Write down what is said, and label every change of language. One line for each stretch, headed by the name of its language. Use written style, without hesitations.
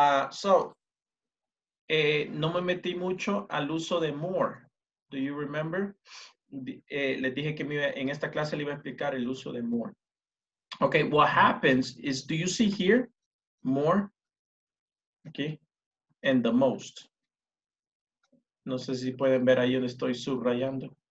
Spanish: So no me metí mucho al uso de more.
English: Do you remember?
Spanish: Les dije que en esta clase le iba a explicar el uso de more.
English: Okay, what happens is, do you see here, more, okay, and the most?
Spanish: No sé si pueden ver ahí donde estoy subrayando.